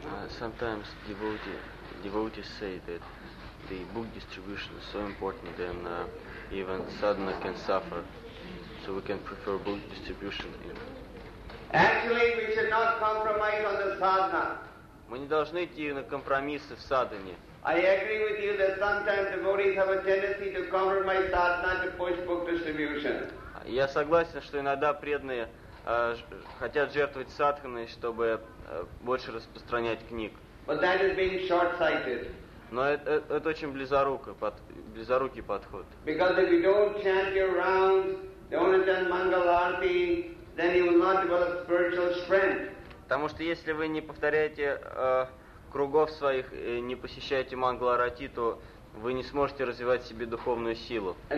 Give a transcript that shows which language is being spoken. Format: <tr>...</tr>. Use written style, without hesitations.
<en>Sometimes devotees say that the book distribution is so important that even sadhana can suffer. So we can prefer book distribution. Actually, we should not compromise on the sadhana.</en> <ru>Мы не должны идти на компромиссы в садхане.</ru> <en>I agree with you that sometimes devotees have a tendency to compromise sadhana to push book distribution.</en> <ru>Я согласен, что иногда преданные хотят жертвовать садханой, чтобы больше распространять книг.</ru> <en>But that is being short-sighted.</en> <ru>Но это очень близорукий подход.</ru> <en>Because if you don't chant your rounds, don't attend Mangal Arati, then you will not develop spiritual strength.</en> <ru>Потому что если вы не повторяете кругов своих и не посещаете Мангал Арати, то вы не сможете развивать в себе духовную силу.</ru>